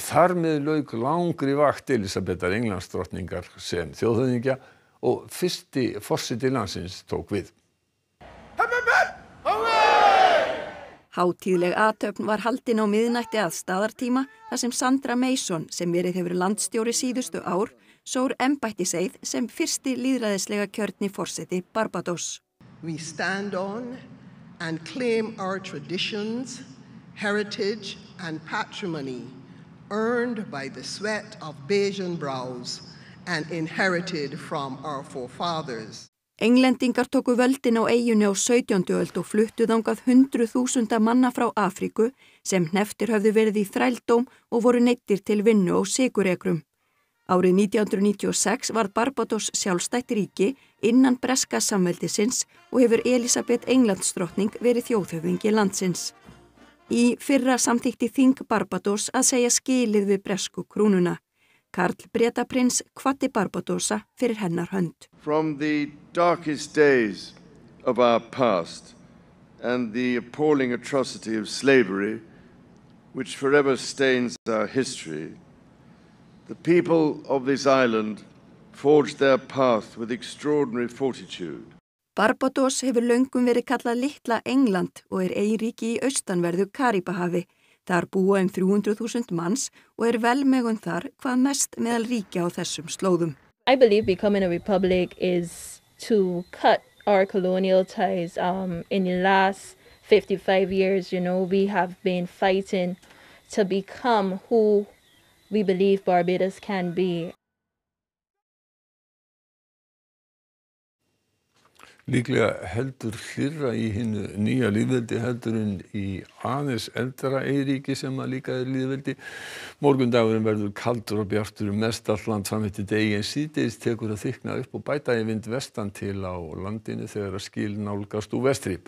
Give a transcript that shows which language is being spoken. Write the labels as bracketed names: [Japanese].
[Icelandic] Þar með lauk langri vakt Elísabetar Englandsdrottningar sem þjóðhöfðingja og fyrsti forseti landsins tók við. Hátíðleg athöfn var haldin á miðnætti að staðartíma þar sem Sandra Mason, sem verið hefur landstjóri síðustu ár, sór embættiseið sem fyrsti lýðræðislega kjörni forseti Barbados. [English] We stand on and claim our traditions, heritage and patrimony earned by the sweat of Bajan brows and inherited from our forefathers. [Icelandic] Englendingar tóku völdin á eyjunni á 17. öld og fluttu þangað 100,000 manna frá Afríku sem hneftir höfðu verið í þrældóm og voru neyddir til vinnu og sykurekrum. Árið 1996 varð Barbados sjálfstætt ríki innan breska samveldisins og hefur Elísabet Englandsdrottning verið þjóðhöfðingi landsins. Í fyrra samþykkti þing Barbados að segja skilið við bresku krúnuna. Karl Bretaprins kvaddi Barbadosa fyrir hennar hönd. [English] From the darkest days of our past and the appalling atrocity of slavery which forever stains our history, the people of this island forged their path with extraordinary fortitude. [Icelandic] Barbados hefur löngum verið kallað litla England og er eyríki í austanverðu Karíbahafi. Þar búa 300,000 manns og er velmegun þar hvað mest meðal ríkja á þessum slóðum. [English] I believe becoming a republic is to cut our colonial ties in the last 55 years. You know, we have been fighting to become who we believe Barbados can be. [Icelandic] Líklega heldur hlýrra í hinu nýja lýðveldi heldur en í aðeins eldra eyríki sem að líka er lýðveldi. Morgundagurinn verður kaldur og bjartur mest allt land fram eftir degi en síðdegis tekur að þykkna upp og bæta í vind vestan til á landinu þegar að skil nálgast úr vestri.